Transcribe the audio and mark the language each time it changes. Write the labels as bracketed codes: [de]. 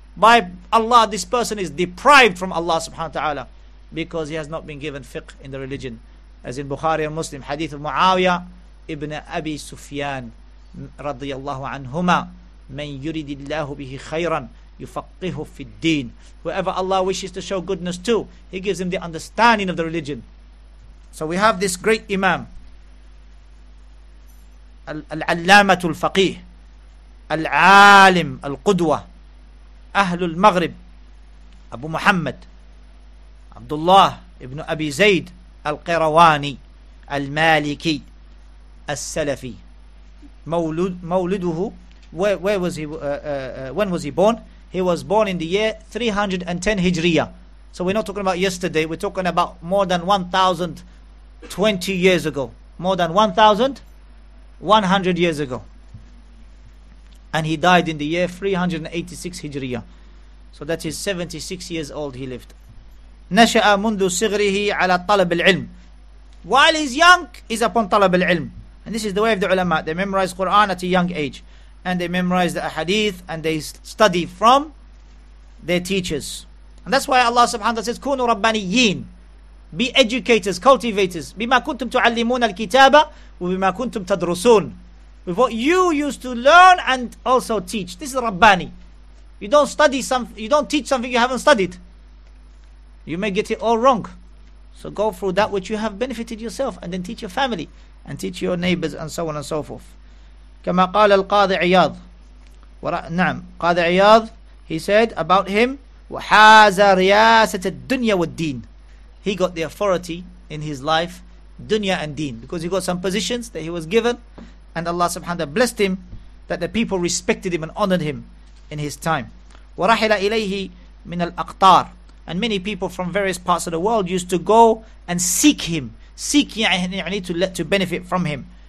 [en] By Allah, this person is deprived from Allah subhanahu wa ta'ala, because he has not been given fiqh in the religion. As in Bukhari and Muslim, hadith of Muawiyah ibn Abi Sufyan radiyallahu anhuma, [ar] man yuridillahu bihi khayran yufaqqihu fi ddeen. [en] Whoever Allah wishes to show goodness to, he gives him the understanding of the religion. So we have this great imam, [ar] al-allamatul faqih, al-alim al-qudwa, أهل المغرب أبو محمد عبد الله ابن أبي زيد القرواني المالكي السلفي. مولده, [en] where was he, when was he born? He was born in the year 310 Hijriya. So we're not talking about yesterday, we're talking about more than 1,020 years ago. More than 1,100 years ago. And he died in the year 386 Hijriya. So that is 76 years old he lived. [ar] نشأ منذ صغره على طلب العلم. [en] While he's young, he's upon [ar] طلب العلم. [en] And this is the way of the ulama. They memorize Quran at a young age. And they memorize the ahadith and they study from their teachers. And that's why Allah subhanahu wa ta'ala says, [ar] كونوا ربانيين. [en] Be educators, cultivators. [ar] بما كنتم تعلمون الكتابة وبما كنتم تدرسون. [en] With what you used to learn and also teach. This is Rabbani. You don't study something, you don't teach something you haven't studied. You may get it all wrong. So go through that which you have benefited yourself, and then teach your family and teach your neighbors and so on and so forth. [ar] كما قال القاضي عياض. نعم, قاضي عياض, [en] he said about him, [ar] وحاز رياسة الدنيا والدين. [en] He got the authority in his life, dunya and deen, because he got some positions that he was given, and Allah subhanahu wa ta'ala blessed him that the people respected him and honored him in his time. [ar] ورحل إليه من الأقطار. [en] And many people from various parts of the world used to go and seek him, seek يعني to benefit from him.